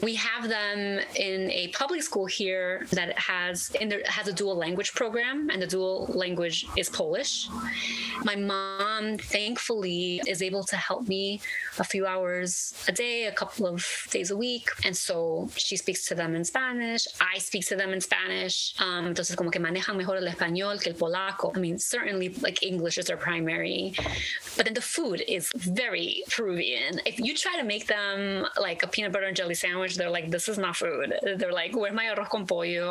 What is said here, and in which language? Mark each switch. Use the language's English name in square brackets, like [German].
[English] We have them in a public school here that has a dual language program, and the dual language is Polish. My mom, thankfully, is able to help me a few hours a day, a couple of days a week. And so she speaks to them in Spanish. I speak to them in Spanish. [Spanish] Entonces como que manejan mejor el español que el polaco. [English] I mean, certainly like English is their primary, but then the food is very Peruvian. If you try to make them like a peanut butter and jelly sandwich, they're like, this is not food. They're like, where's my arroz con pollo?